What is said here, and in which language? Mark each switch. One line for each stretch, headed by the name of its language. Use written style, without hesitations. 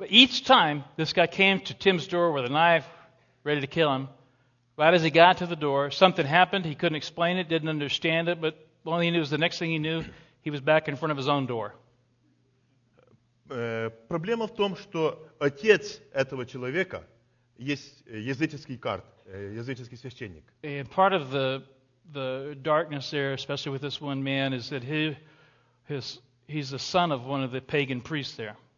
English: Each time this guy came to Tim's door with a knife, ready to kill him, right as he got to the door, something happened, he couldn't explain it, didn't understand it, but the only thing he knew is the next thing he knew, he was back in front of his own door.
Russian: Проблема в том, что отец этого человека есть языческий священник.
English: And part of the darkness there, especially with this one man, is that he's the son of one of the pagan priests there.